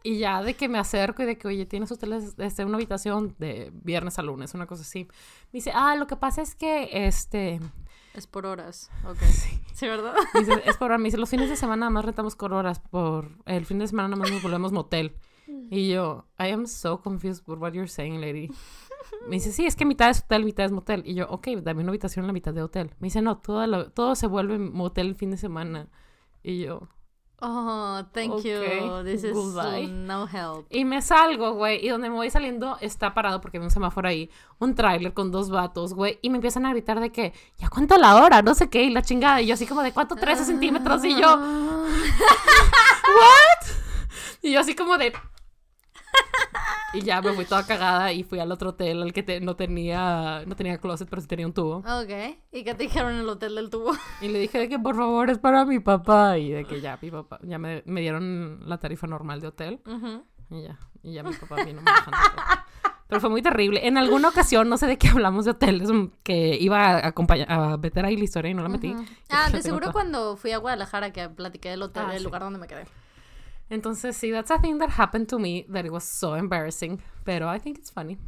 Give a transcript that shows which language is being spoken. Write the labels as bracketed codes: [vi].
[es] Y ya de que me acerco y de que, oye, ¿tienes ustedes una habitación de viernes a lunes? Una cosa así. Me dice, ah, lo que pasa es que, es por horas, ok. Sí, ¿sí, verdad? Me dice, es por horas. Me dice, los fines de semana nada más rentamos por horas. Por el fin de semana nada más nos volvemos motel. Y yo, [en] I am so confused with what you're saying, lady. [es] Me dice, sí, es que mitad es hotel, mitad es motel. Y yo, ok, dame una habitación en la mitad de hotel. Me dice, no, todo se vuelve motel el fin de semana. Y yo, [en] oh, thank okay, you, this goodbye. Is no help. [es] Y me salgo, güey, y donde me voy saliendo está parado, porque hay un semáforo ahí, un tráiler con 2 vatos, güey. Y me empiezan a gritar de que, ¿ya cuánto la hora? No sé qué, y la chingada. Y yo así como, ¿de cuánto? 13 centímetros. Y yo, ¿what? Y yo así como de... Y ya me fui toda cagada y fui al otro hotel, al que no tenía closet, pero sí tenía un tubo. Ok, ¿y qué te dijeron en el hotel del tubo? Y le dije de que por favor es para mi papá, y de que ya mi papá, ya me dieron la tarifa normal de hotel. Uh-huh. Y ya mi papá vino manejando todo. Pero fue muy terrible. En alguna ocasión, no sé de qué hablamos de hoteles, que iba a meter ahí la historia y no la metí. Uh-huh. Ah, de seguro cuando fui a Guadalajara que platiqué del hotel, del lugar donde me quedé. Entonces, sí, [en] that's a thing that happened to me that it was so embarrassing, pero I think it's funny.